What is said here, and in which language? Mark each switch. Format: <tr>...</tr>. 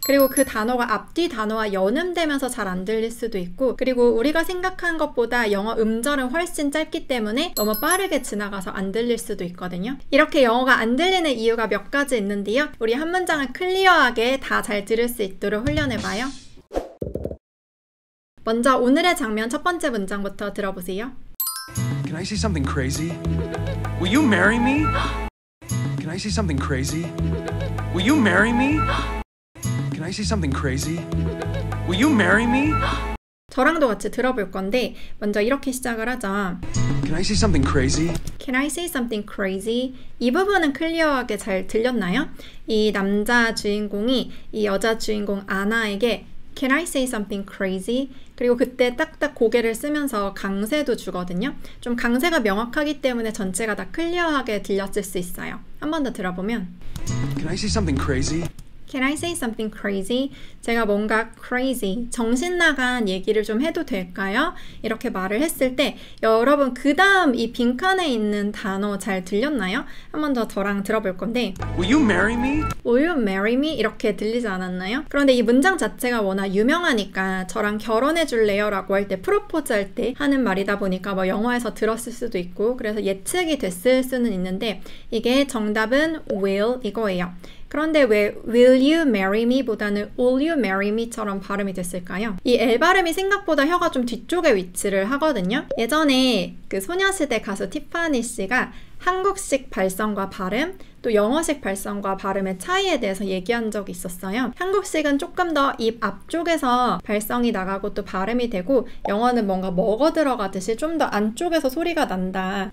<ko>그리고 그 단어가 앞뒤 단어와 연음되면서 잘안 들릴 수도 있고, 그리고 우리가 생각한 것보다 영어 음절은 훨씬 짧기 때문에 너무 빠르게 지나가서 안 들릴 수도 있거든요. 이렇게 영어가 안 들리는 이유가 몇 가지 있는데요. 우리 한 문장을 클리어하게 다잘 들을 수 있도록 훈련해 봐요. 먼저 오늘의 장면 첫 번째 문장부터 들어보세요.</ko> <en>Can I see something crazy? Will you marry me? Can I see something crazy? Will you marry me? Can I see something crazy? Will you marry me?</en> <ko>저랑도 같이 들어볼 건데 먼저 이렇게 시작을 하자.</ko> <en>Can I see something crazy? Can I say something crazy?</en> <ko>이 부분은 클리어하게 잘 들렸나요? 이 남자 주인공이 이 여자 주인공 아나에게</ko> <en>Can I say something crazy?</en> <ko>그리고 그때 딱딱 고개를 쓰면서 강세도 주거든요. 좀 강세가 명확하기 때문에 전체가 다 클리어하게 들렸을 수 있어요. 한 번 더 들어보면</ko> <en>Can I say something crazy? Can I say something crazy?</en> <ko>제가 뭔가 crazy, 정신나간 얘기를 좀 해도 될까요? 이렇게 말을 했을 때 여러분 그 다음 이 빈칸에 있는 단어 잘 들렸나요? 한번 더 저랑 들어볼 건데</ko> <en>Will you marry me? Will you marry me?</en> <ko>이렇게 들리지 않았나요? 그런데 이 문장 자체가 워낙 유명하니까 저랑 결혼해 줄래요? 라고 할 때 프로포즈 할 때 하는 말이다 보니까 뭐 영어에서 들었을 수도 있고 그래서 예측이 됐을 수는 있는데 이게 정답은 will 이거예요. 그런데 왜</ko> <en>will you marry me</en> <ko>보다는 will you marry me처럼 발음이 됐을까요? 이 L 발음이 생각보다 혀가 좀 뒤쪽에 위치를 하거든요. 예전에 그 소녀시대 가수 티파니 씨가 한국식 발성과 발음, 또 영어식 발성과 발음의 차이에 대해서 얘기한 적이 있었어요. 한국식은 조금 더 입 앞쪽에서 발성이 나가고 또 발음이 되고 영어는 뭔가 먹어 들어가듯이 좀 더 안쪽에서 소리가 난다.</ko>